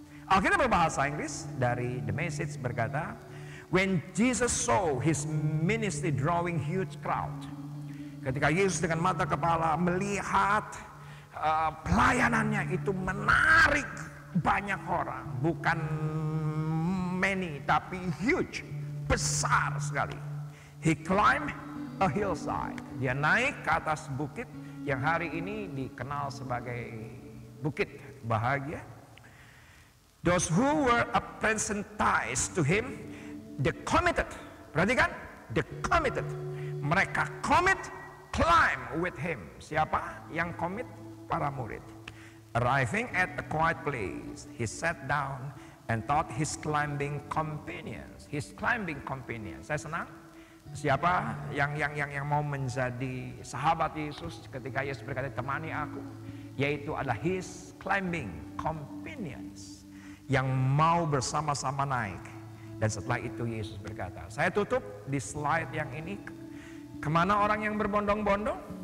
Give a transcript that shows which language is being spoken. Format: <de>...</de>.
<id>Alkitab berbahasa Inggris dari The Message berkata,</id> <en>when Jesus saw his ministry drawing huge crowd,</en> <id>ketika Yesus dengan mata kepala melihat pelayanannya itu menarik banyak orang, bukan</id> <en>many</en> <id>tapi</id> <en>huge,</en> <id>besar sekali.</id> <en>He climbed a hillside.</en> <id>Dia naik ke atas bukit yang hari ini dikenal sebagai Bukit Bahagia.</id> <en>Those who were apprenticed to him, the committed.</en> <id>Perhatikan,</id> <en>the committed.</en> <id>Mereka</id> <en>commit, climb with him.</en> <id>Siapa yang commit? Para murid.</id> <en>Arriving at a quiet place, he sat down and taught his climbing companions. His climbing companions.</en> <id>Saya senang. Siapa yang mau menjadi sahabat Yesus ketika Yesus berkata temani aku, yaitu adalah</id> <en>his climbing companions</en> <id>yang mau bersama-sama naik. Dan setelah itu Yesus berkata, saya tutup di slide yang ini, kemana orang yang berbondong-bondong?</id>